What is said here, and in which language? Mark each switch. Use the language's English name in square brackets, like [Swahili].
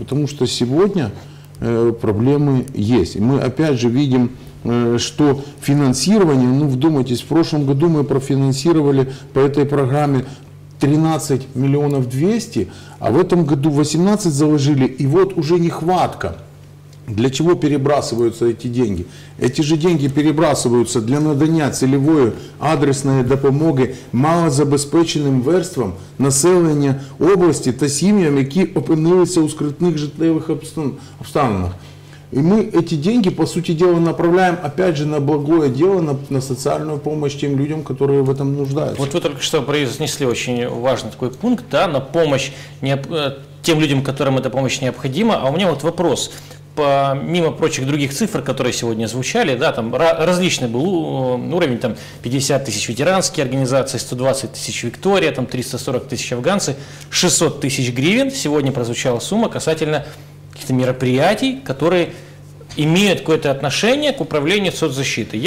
[Russian] Потому что сегодня проблемы есть. И мы опять же видим, что финансирование, ну вдумайтесь, в прошлом году мы профинансировали по этой программе 13 200 000, а в этом году 18 заложили, и вот уже нехватка. Для чего перебрасываются эти деньги? Эти же деньги перебрасываются для надания целевой адресной [Ukrainian] допомоги малозабезпеченим верствам населення області та сім'ям, які опинилися у скрутних життєвих обставинах. [Russian] И мы эти деньги, по сути дела, направляем, опять же, на благое дело, на социальную помощь тем людям, которые в этом нуждаются. Вот вы только что произнесли очень важный такой пункт, да, на помощь тем людям, которым эта помощь необходима. А у меня вот вопрос. Помимо прочих других цифр, которые сегодня звучали, да, там различный был уровень, там 50 тысяч ветеранские организации, 120 тысяч Виктория, там 340 тысяч афганцы, 600 тысяч гривен, сегодня прозвучала сумма касательно каких-то мероприятий, которые имеют какое-то отношение к управлению соцзащиты.